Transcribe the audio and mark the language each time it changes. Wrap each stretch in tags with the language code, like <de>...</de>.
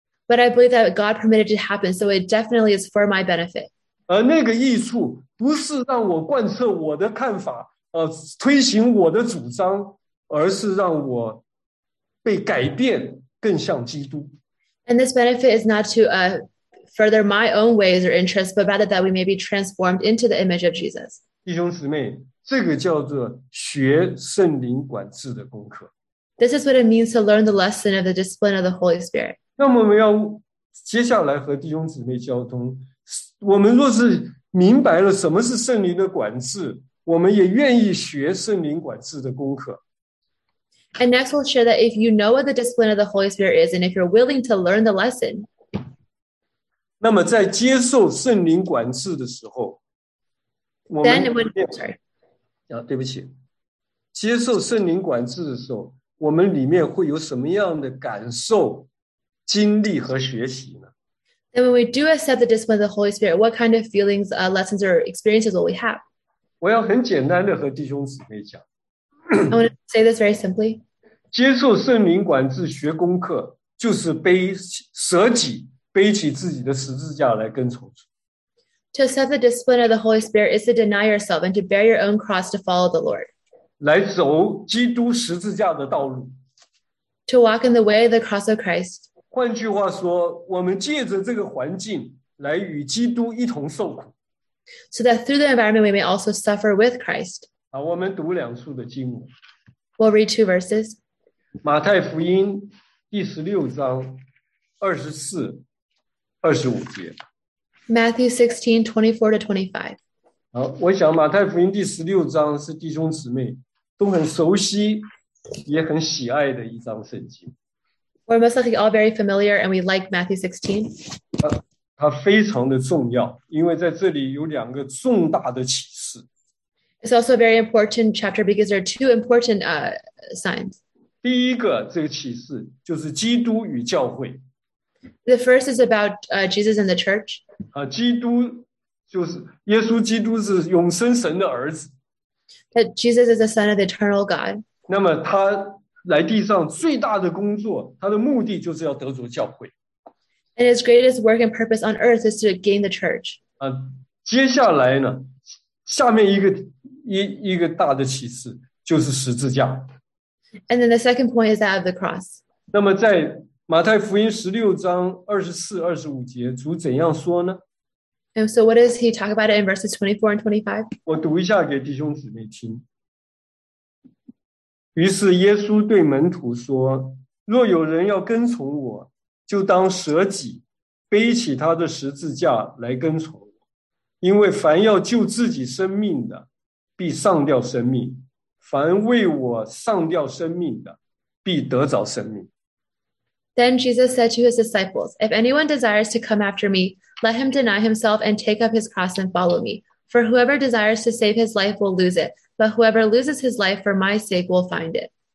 <en>But I believe that God permitted it to happen, so it definitely is for my benefit.</en> <zh>而那个益处不是让我贯彻我的看法，推行我的主张，而是让我被改变，更像基督。</zh> <en>And this benefit is not to further my own ways or interests, but rather that we may be transformed into the image of Jesus.</en> <zh>弟兄姊妹，这个叫做学圣灵管制的功课。</zh> <en>This is what it means to learn the lesson of the discipline of the Holy Spirit.</en> <zh>那么我们要接下来和弟兄姊妹交通，我们若是明白了什么是圣灵的管制，我们也愿意学圣灵管制的功课。</zh> <en>And next we'll share that if you know what the discipline of the Holy Spirit is and if you're willing to learn the lesson.</en> <zh>那么在接受圣灵管制的时候，我们</zh> <en>then when, sorry.</en> <zh>对不起。接受圣灵管制的时候，我们里面会有什么样的感受、经历和学习呢？</zh> <en>Then when we do accept the discipline of the Holy Spirit, what kind of feelings, lessons or experiences will we have?</en> <zh>我要很简单的和弟兄姊妹讲。</zh> <en>I want to say this very simply.</en> <zh>接受圣灵管制学功课就是背起自己的十字架来跟从主。</zh> <en>To accept the discipline of the Holy Spirit is to deny yourself and to bear your own cross to follow the Lord.</en> <zh>来走基督十字架的道路。</zh> <en>To walk in the way of the cross of Christ.</en> <zh>换句话说，我们借着这个环境来与基督一同受苦。</zh> <en>So that through the environment we may also suffer with Christ.</en> <zh>我们读两处的经文。</zh> <en>We'll read two verses.</en> <zh>马太福音第十六章二十四、二十五节。</zh> <en>Matthew 16:24-25.</en> <zh>我想马太福音第十六章是弟兄姊妹都很熟悉也很喜爱的一章圣经。</zh> <en>We're most likely all very familiar and we like Matthew 16.</en> <zh>它非常的重要，因为在这里有两个重大的启示。</zh> <en>It's also a very important chapter because there are two important signs.</en> <zh>第一个这个启示就是基督与教会。</zh> <en>The first is about Jesus and the church.</en> <zh>基督就是耶稣基督是永生神的儿子。</zh> <en>That Jesus is the son of the eternal God.</en> <zh>那么他来地上最大的工作，他的目的就是要得着教会。</zh> <en>And his greatest work and purpose on earth is to gain the church.</en> <zh>接下来呢，下面一个大的启示就是十字架。</zh> <en>And then the second point is that of the cross.</en> <zh>那么在马太福音十六章二十四、二十五节，主怎样说呢？</zh> <en>And so what does he talk about it in verses 24 and 25?</en> <zh>我读一下给弟兄姊妹听。于是耶稣对门徒说，若有人要跟从我，就当舍己，背起他的十字架来跟从我。因为凡要救自己生命的，必丧掉生命；凡为我丧掉生命的，必得着生命。</zh> <en>Then Jesus said to his disciples, If anyone desires to come after me, let him deny himself and take up his cross and follow me. For whoever desires to save his life will lose it, but whoever loses his life for my sake will find it.</en>